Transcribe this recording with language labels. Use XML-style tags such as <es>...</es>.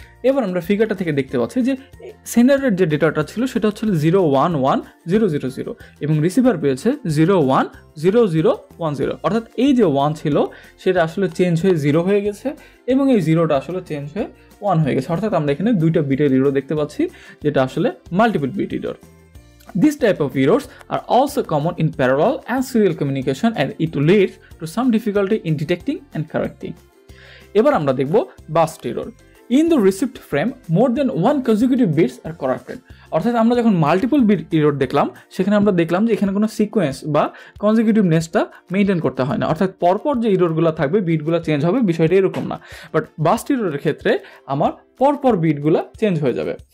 <bn>এবার আমরা ফিগারটা থেকে দেখতে পাচ্ছি যে সেন্ডারের যে ডেটাটা ছিল সেটা হচ্ছে zero one one zero zero zero এবং রিসিভার পেয়েছে zero one zero zero one zero, অর্থাৎ এই যে ওয়ান ছিল সেটা আসলে চেঞ্জ হয়ে জিরো হয়ে গেছে এবং এই জিরোটা আসলে চেঞ্জ হয়ে ওয়ান হয়ে গেছে। অর্থাৎ আমরা এখানে দুইটা বিটের ইরর দেখতে পাচ্ছি যেটা আসলে multiple bit error.</bn> <en>This type of errors are also common in parallel and serial communication and it leads to some difficulty in detecting and correcting.</en> <bn>এবার আমরা দেখব bast error.</bn> <en>in the received frame more than one consecutive bits are corrupted,</en> <bn>অর্থাৎ আমরা যখন multiple bit error দেখলাম সেখানে আমরা দেখলাম যে এখানে কোনো সিকোয়েন্স বা কনসিকিউটিভনেসটা মেনটেন করতে হয় না, অর্থাৎ পরপর যে ইররগুলো থাকবে বিটগুলো চেঞ্জ হবে বিষয়টা এরকম না, বাট বাস্ট ইররের ক্ষেত্রে আমার পরপর বিটগুলো চেঞ্জ হয়ে যাবে।</bn>